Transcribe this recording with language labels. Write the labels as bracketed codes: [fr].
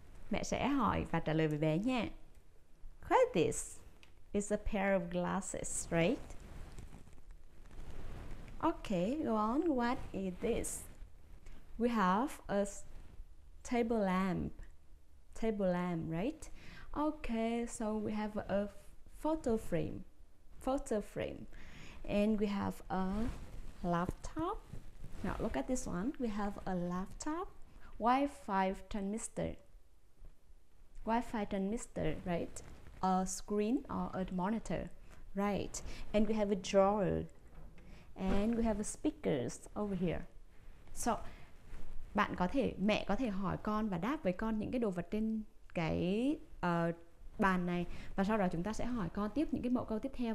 [vi] Mẹ sẽ hỏi và trả lời với bé nha. [en] What is this? It's a pair of glasses, right? Okay, go on. What is this? We have a table lamp. Table lamp, right? Okay, so we have a photo frame. Photo frame. And we have a laptop. Now, look at this one. We have a laptop. Wi-Fi transmitter. Wi-Fi transmitter, right? A screen or a monitor, right? And we have a drawer. And we have a speakers over here. [vi] So, bạn có thể, mẹ có thể hỏi con và đáp với con những cái đồ vật trên cái bàn này. Và sau đó chúng ta sẽ hỏi con tiếp những cái mẫu câu tiếp theo.